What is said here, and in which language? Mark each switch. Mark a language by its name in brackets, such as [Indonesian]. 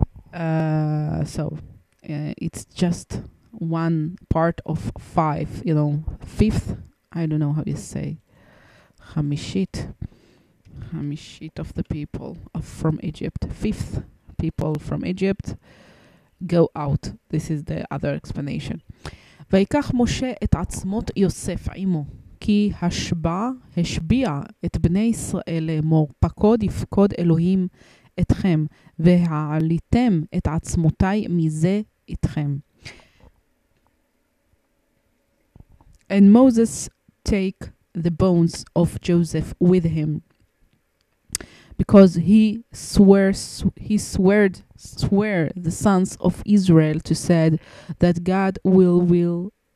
[English] So it's just one part of five, you know, fifth. I don't know how you say, Hamishit. Hamishit of the people of from Egypt. Fifth people from Egypt go out. This is the other explanation. [Hebrew] ויקח משה את עצמות יוסף עמו, כי השביע את בני ישראל לאמור, פקוד יפקוד אלוהים אתכם, והעליתם את עצמותי מזה אתכם. [English] And Moses take the bones of Joseph with him, because he swore the sons of Israel to said that God will will